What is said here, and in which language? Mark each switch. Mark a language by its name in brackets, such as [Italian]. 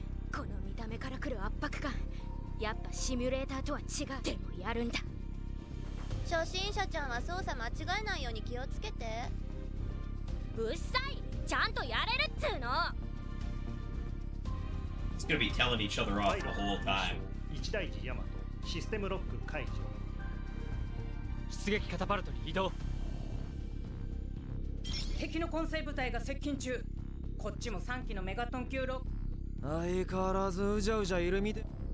[Japanese] この見た目から来る圧迫感、やっぱシミュレーターとは違う。でもやるんだ。初心者ちゃんは操作間違えないように気をつけて。うっさい、ちゃんとやれるっつーの。 [English] It's gonna be telling each other off the whole time. [Japanese] 一大事ヤマト、システムロック解除。出撃カタパルトに移動。敵の混成部隊が接近中。こっちも3機のメガトン級ロ。相変わらずうじゃうじゃいるみで。